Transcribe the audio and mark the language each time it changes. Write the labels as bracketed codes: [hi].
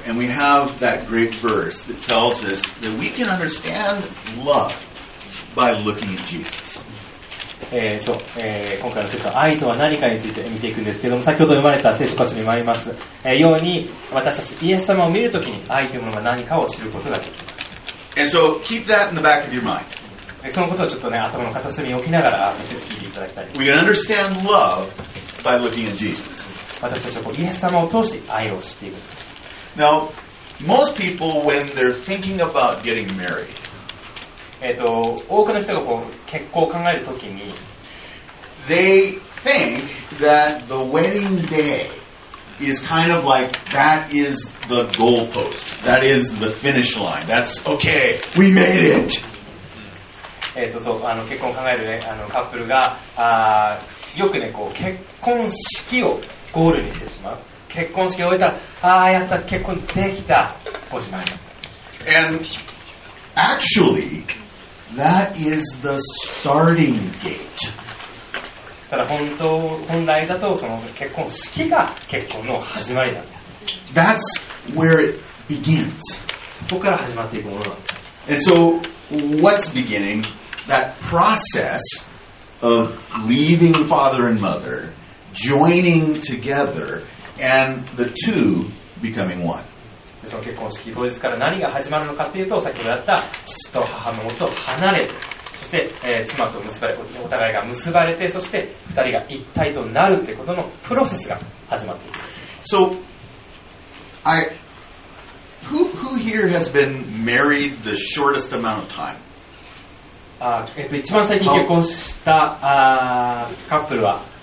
[en] And we have that great verse that tells us that we can understand love by looking at Jesus. [ja] 今回のセッション愛とは何かについて見ていくんですけども、先ほど読まれた聖書箇所にもあります、ように私たちイエス様を見るときに愛というものが何かを知ることができます。 [en] And so keep that in the back of your mind. [ja] そのことをちょっとね、頭の片隅に置きながらメッセージ聞いていただきたいです。 [en] We can understand love by looking at Jesus. [ja] 私たちはこうイエス様を通して愛を知っているんです。 [en] Now, most people when they're thinking about getting married, [ja] 多くの人がこう結婚を考えるときに、 [en] They think that the wedding day is kind of like that is the goalpost, that is the finish line. That's okay, we made it. [ja] そう、結婚を考える、ね、カップルが、よくね、こう結婚式をゴールにしてしまう。結婚式を終えたら、ああやった、結婚できた、おしまい。 [en] And actually. That is the starting gate. [ja] ただ本来だとその結婚式が結婚の始まりなんです。 [en] That's where it begins. [ja] そこから始まっていくものなんです。 [en] And so, what's beginning? That process of leaving father and mother, joining together, and the two becoming one. [ja] その結婚式当日から何が始まるのかというと、先ほどやった父と母のもと離れて、そして、妻と結ばれ、お互いが結ばれて、そして二人が一体となるということのプロセスが始まっています。 [en] So who here has been married the shortest amount of time? [ja] 一番最近結婚したカップルは